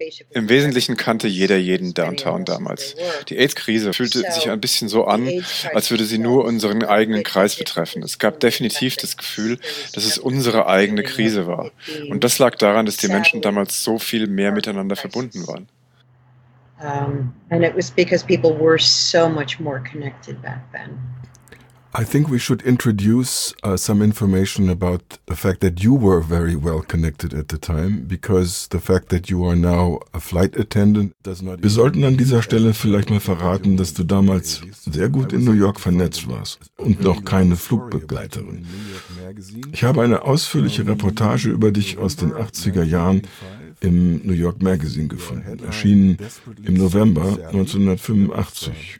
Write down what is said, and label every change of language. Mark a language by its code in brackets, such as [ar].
[de] Im Wesentlichen kannte jeder jeden Downtown damals. Die AIDS-Krise fühlte sich ein bisschen so an, als würde sie nur unseren eigenen Kreis betreffen. Es gab definitiv das Gefühl, dass es unsere eigene Krise war. Und das lag daran, dass die Menschen damals so viel mehr miteinander verbunden waren. [en] And it was because people were so much more connected back then. I think we should introduce some information about the fact that you were very well connected at the time, because the fact that you are now a flight attendant does not... [de] Wir sollten an dieser Stelle vielleicht mal verraten, dass du damals sehr gut in New York vernetzt warst und noch keine Flugbegleiterin. Ich habe eine ausführliche Reportage über dich aus den 80er Jahren im New York Magazine gefunden, erschienen im November 1985.